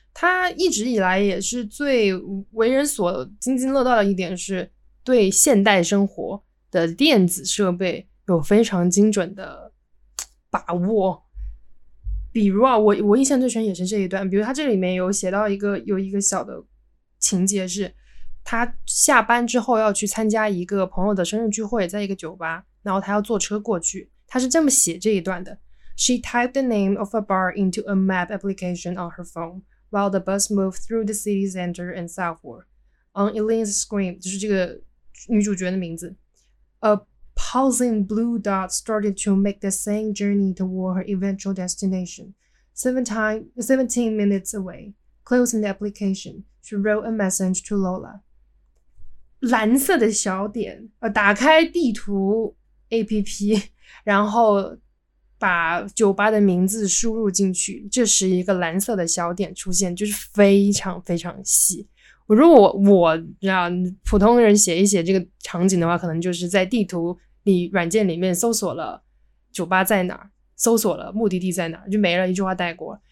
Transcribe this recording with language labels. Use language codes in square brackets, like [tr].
[zh] 他一直以来也是最为人所津津乐道的一点是对现代生活的电子设备有非常精准的把握。比如啊，我印象最深也是这一段，比如他这里面有写到一个有一个小的情节是他下班之后要去参加一个朋友的生日聚会，在一个酒吧，然后他要坐车过去，他是这么写这一段的。 [en] She typed the name of a bar into a map application on her phone while the bus moved through the city center and southward. On Elaine's screen, [zh] 就是这个女主角的名字， [en] a pulsing blue dot started to make the same journey toward her eventual destination, 17 minutes away. closing the application. She wrote a message to Lola. [zh] 蓝色的小点，打开地图 APP， 然后把酒吧的名字输入进去，这时一个蓝色的小点出现，就是非常非常细。如果我让普通人写一写这个场景的话，可能就是在地图里软件里面搜索了酒吧在哪儿，搜索了目的地在哪儿，就没了，一句话带过。